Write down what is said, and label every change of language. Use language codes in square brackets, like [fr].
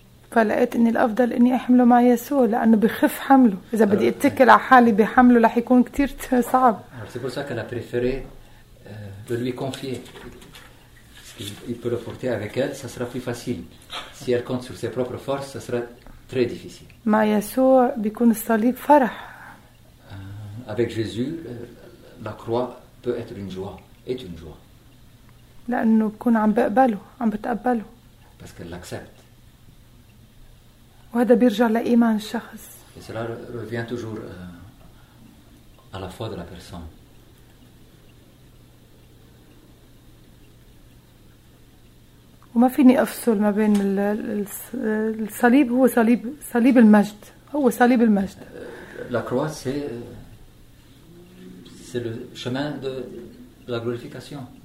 [ar] فلقيت إني الأفضل إني أحمله مع يسوع لأنه بخف حمله إذا بدي أتكل على حالي بحمله لح يكون كتير صعب. [fr] C'est pour ça qu'elle a préféré de lui confier. Il peut le porter avec elle, ça sera plus facile. Si elle compte sur ses propres forces, ça sera très difficile. [ar] مع يسوع بيكون الصليب فرح. [fr] Avec Jésus, la croix peut être une joie, est une joie. [ar] لأنه بكون عم بقبله, عم بتقبله. [fr] Parce qu'elle l'accepte. [ar] وهذا بيرجع لإيمان الشخص. [fr] Et cela revient toujours à la foi de la personne. [ar] وما فيني أفصل ما بين الصليب هو صليب المجد هو صليب المجد. [fr] La croix c'est le chemin de la glorification.